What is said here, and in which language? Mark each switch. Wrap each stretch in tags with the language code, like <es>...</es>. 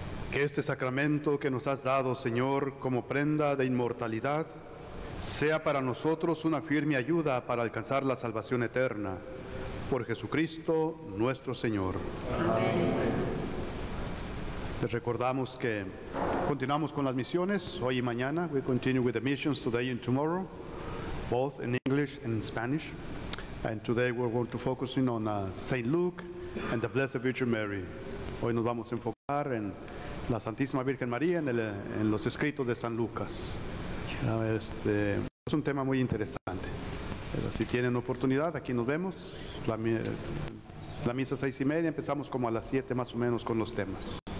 <es>Que este sacramento que nos has dado, Señor, como prenda de inmortalidad, sea para nosotros una firme ayuda para alcanzar la salvación eterna. Por Jesucristo nuestro Señor. Amén. Les recordamos que continuamos con las misiones hoy y mañana.</es> <en>We continue with the missions today and tomorrow, both in English and in Spanish. And today we're going to focus on St. Luke and the Blessed Virgin Mary.</en> <es>Hoy nos vamos a enfocar en la Santísima Virgen María en los escritos de San Lucas. Es un tema muy interesante. Pero si tienen oportunidad, aquí nos vemos. La misa 6:30, empezamos como a las 7 más o menos con los temas.</es>